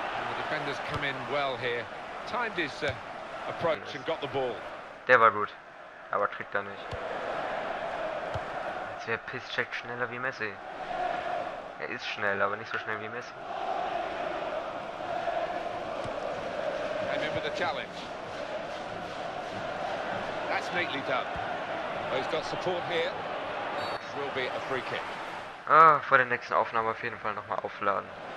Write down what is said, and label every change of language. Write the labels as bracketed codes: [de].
[en] The defenders come in well here. Timed his approach and got the ball. [de] Der war gut, aber kriegt er nicht. Jetzt wäre Piszczek schneller wie Messi. Er ist schnell, aber nicht so schnell wie Messi. [en] Came in with a challenge. That's neatly done. Well, he's got support here. This will be a free kick. [de] Ah, vor der nächsten Aufnahme auf jeden Fall nochmal aufladen.